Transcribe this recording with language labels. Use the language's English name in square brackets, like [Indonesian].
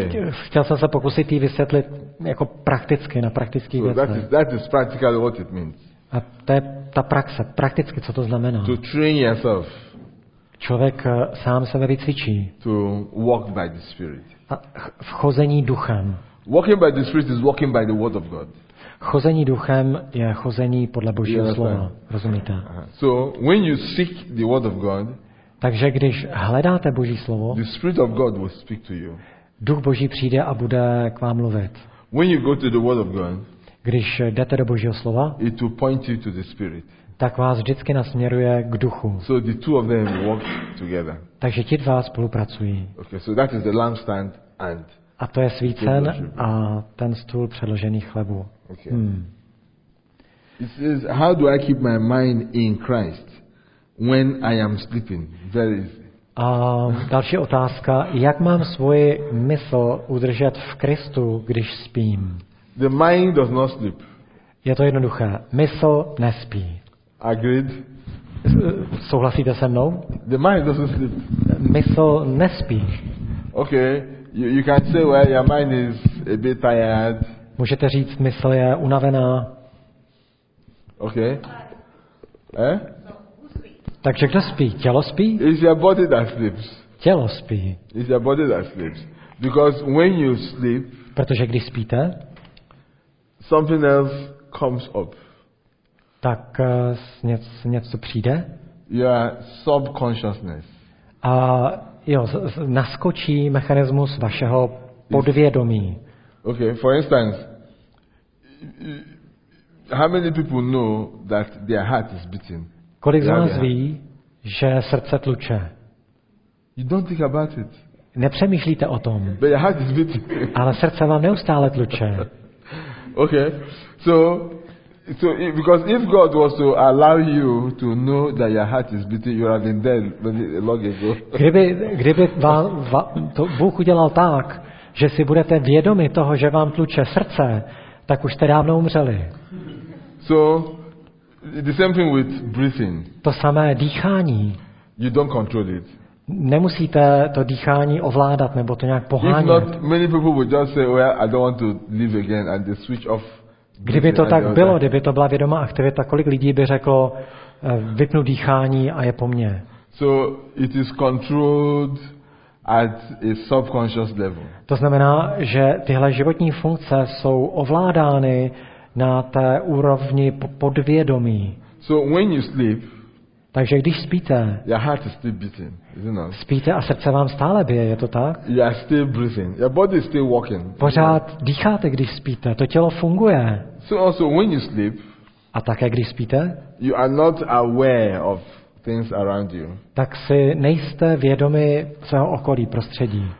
[Czech] Chtěl jsem se pokusit jí vysvětlit jako prakticky, na praktický věc. [English] That is practically what it means. [Czech] A to je ta praxe, prakticky, co to znamená. [English] To train yourself. [Czech] Člověk sám sebe vycvičí. [English] To walk by the Spirit. [Czech] A chození duchem. [English] Walking by the Spirit is walking by the Word of God. [Czech] Chození duchem je chození podle Božího slova. Rozumíte? Uh-huh. [English] So when you seek the Word of God. [Czech] Takže když hledáte Boží slovo, [English] the Spirit of God will speak to you. [Czech] Duch Boží přijde a bude k vám mluvit. [English] When you go to the Word of God, [Czech] když jdete do Božího slova, [English] it will point you to the Spirit. [Czech] Tak vás vždycky nasměruje k duchu. [English] So the two of them work together. [Czech] Takže ti dva spolupracují. [English] Okay, so that is the lampstand and [Czech] a to je svícen a ten stůl předložený chlebu. [English] Okay. It says, how do I keep my mind in Christ? When I am sleeping, very easy. [Czech] A další otázka, jak mám svoji mysl udržet v Kristu, když spím? [English] The mind does not sleep. [Czech] Je to jednoduché, mysl nespí. [English] Agreed. [Czech] Souhlasíte se mnou? [English] The mind doesn't sleep. [Czech] Mysl nespí. [English] Okay, you can say well your mind is a bit tired. [Czech] Můžete říct, mysl je unavená. [English] Okay. Eh? [Czech] Takže kdo spí? Tělo spí? [English] It's your body that sleeps. [Czech] Tělo spí. [English] It's your body that sleeps. Because when you sleep, [Czech] protože když spíte, [English] something else comes up. [Czech] Tak něco přijde? [English] Your subconsciousness. [Czech] A jo, naskočí mechanismus vašeho podvědomí. [English] Okay, for instance, how many people know that their heart is beating? [Czech] Kolik z vás ví, že srdce tluče? [English] You don't think about it. [Czech] Nepřemýšlíte o tom. [English] But your heart is beating. [Czech] Ale srdce vám neustále tluče. [English] Okay, so because if God was to allow you to know that your heart is beating, you would have been dead long ago. [Czech] Kdyby vám to Bůh udělal tak, že si budete vědomi toho, že vám tluče srdce, tak už jste dávno umřeli. [English] So the same thing with breathing. [Czech] To samé dýchání. [English] You don't control it. [Czech] Nemusíte to dýchání ovládat nebo to nějak pohánět. [English] If not, many people would just say, well, I don't want to live again, and they switch off. [Czech] Kdyby to tak bylo, kdyby to byla vědomá aktivita, kolik lidí by řeklo, vypnu dýchání a je po mně. [English] So it is controlled at a subconscious level. [Czech] To znamená, že tyhle životní funkce jsou ovládány na té úrovni podvědomí. [English] So when you sleep, [Czech] takže když spíte, [English] your heart is still beating, isn't it? [Czech] Spíte a srdce vám stále bije, je to tak? [English] You are still breathing. Your body is still walking. [Czech] Pořád dýcháte, když spíte, to tělo funguje. [English] So also when you sleep, [Czech] a také když spíte, [English] you are not aware of things around you. [Czech] Tak si nejste vědomi svého okolí, prostředí.